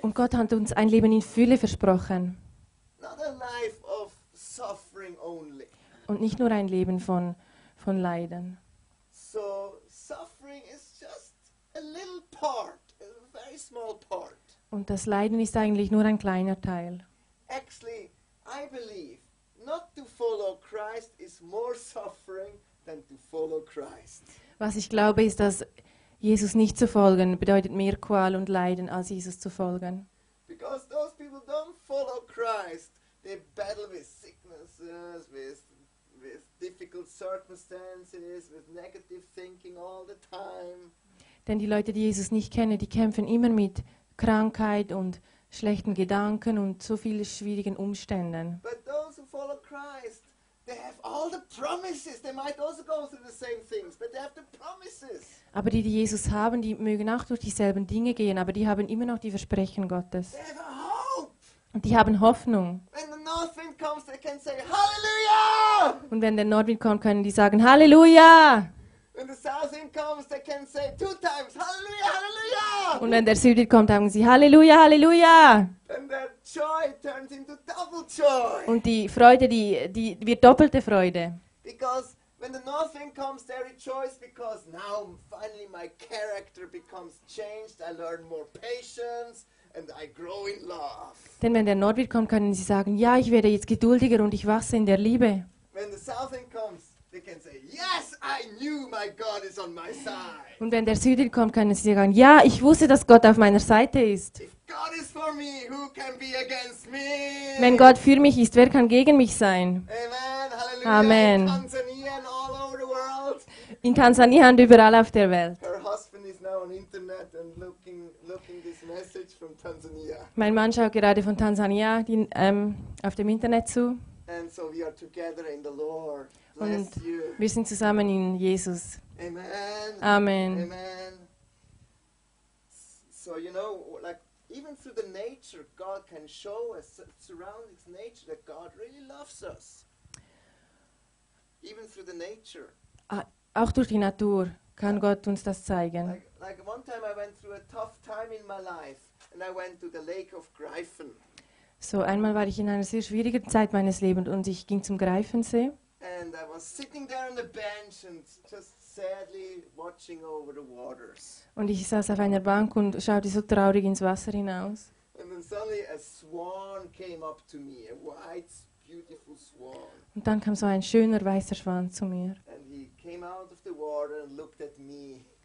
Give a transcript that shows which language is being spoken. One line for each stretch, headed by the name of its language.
German: Und Gott hat uns ein Leben in Fülle versprochen.
English: Not a life of suffering only.
German: Und nicht nur ein Leben von Leiden.
English: So suffering is just a little part, a very small part.
German: Und das Leiden ist eigentlich nur ein kleiner Teil.
English: Actually, I believe not to follow Christ is more suffering than to follow Christ.
German: Was ich glaube, ist, dass Jesus nicht zu folgen bedeutet mehr Qual und Leiden als Jesus zu folgen.
English: Because those people don't follow Christ, they battle with sicknesses, with difficult circumstances, with negative thinking all the time.
German: Denn die Leute, die Jesus nicht kennen, die kämpfen immer mit Krankheit und schlechten Gedanken und so vielen schwierigen Umständen.
English: But those who follow Christ, they have all the promises. They might also go through the same things, but they have the promises.
German: Aber die Jesus haben, die mögen auch durch dieselben Dinge gehen, aber die haben immer noch die Versprechen Gottes.
English: They have a hope.
German: Die haben Hoffnung.
English: When the north wind comes, they can say Hallelujah.
German: Und wenn der Nordwind kommt, können die sagen Halleluja.
English: When the south wind comes, they can say two times Hallelujah, Hallelujah.
German: Und wenn der Südwind kommt, sagen sie Halleluja, Halleluja.
English: And their joy turns into double joy.
German: Und die Freude, die wird doppelte Freude.
English: Because when the north wind comes, they rejoice because now finally my character becomes changed. I learn more patience and I grow in love.
German: Denn wenn der Nordwind kommt, können sie sagen, ja, ich werde jetzt geduldiger und ich wachse in der Liebe.
English: When the south wind comes, they can say, yes, I knew my God is on my side.
German: Und wenn der Südwind kommt, können sie sagen, ja, ich wusste, dass Gott auf meiner Seite ist.
English: God is for me, who can be against me?
German: Wenn Gott für mich ist, wer kann gegen mich sein? Amen. Hallelujah. Amen.
English: In Tanzania and all over the world.
German: In Tanzania und überall auf der Welt.
English: Her husband is now on internet and looking this message from Tanzania.
German: Mein Mann schaut gerade von Tanzania auf dem Internet zu.
English: And so we are together in the Lord. Bless
German: und
English: you.
German: Wir sind zusammen in Jesus. Amen. Amen. Amen.
English: So you know, like even through the nature, God can show us, surround its nature, that God really loves us. Even through the nature.
German: Auch durch die Natur kann Gott uns das zeigen.
English: Like one time I went through a tough time in my life, and I went to the lake of Greifen.
German: So einmal war ich in einer sehr schwierigen Zeit meines Lebens und ich ging zum Greifensee.
English: And I was sitting there on the bench and just sadly watching over the waters.
German: Und ich saß auf einer Bank und schaute so traurig ins Wasser hinaus.
English: And then suddenly a swan came up to me, a white, beautiful swan.
German: Und dann kam so ein schöner weißer Schwan zu mir.
English: And he came out of the water and looked at me.